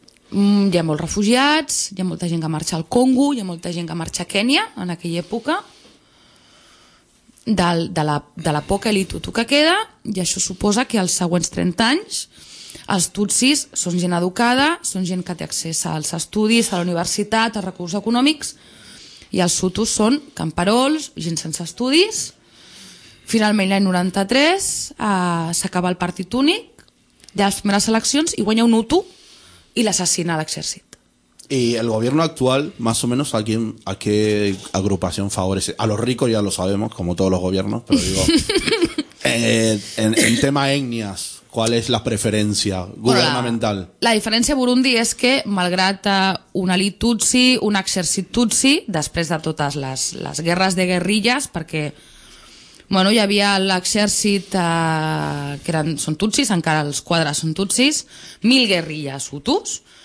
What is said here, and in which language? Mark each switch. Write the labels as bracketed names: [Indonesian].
[Catalan] Hi ha molts refugiats, hi ha molta gent que marxa al Congo, hi ha molta gent que marxa a Kènia en aquella època, de la poca elit hutu que queda, i això suposa que els següents 30 anys els tutsis són gent educada, són gent que té accés als estudis, a la universitat, als recursos econòmics, i els hutus són camperols, gent sense estudis. Finalment, l'any 93 s'acaba el Partit Únic, ja les primeres eleccions, i guanya un hutu i l'assassina a l'exèrcit. [Spanish] ¿Y el gobierno actual, más o menos, a qué agrupación favorece? A los ricos ya lo sabemos, como todos los gobiernos, pero digo, en tema etnias, ¿cuál es la preferencia gubernamental? [Catalan] Bueno, la diferència a Burundi és que, malgrat un elit tutsi, un exèrcit tutsi, després de totes les guerres de guerrilles, perquè bueno, hi havia l'exèrcit, que són tutsis, encara els quadres són tutsis, 1.000 guerrilles hutus.